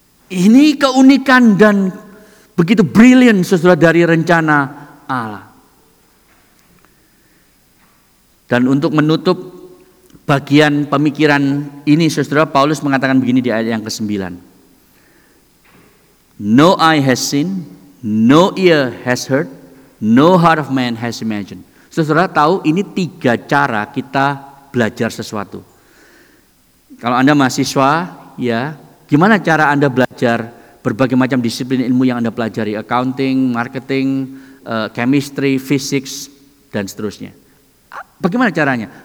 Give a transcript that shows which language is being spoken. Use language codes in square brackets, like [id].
[id] Ini keunikan dan begitu brilian sesudah dari rencana Allah. Dan untuk menutup bagian pemikiran ini sesudah, Paulus mengatakan begini di ayat yang ke-9. [en] No eye has seen, no ear has heard, no heart of man has imagined. [id] Sesudah tahu ini tiga cara kita belajar sesuatu. Kalau Anda mahasiswa, ya, gimana cara Anda belajar berbagai macam disiplin ilmu yang Anda pelajari, accounting, marketing, chemistry, physics, dan seterusnya. Bagaimana caranya?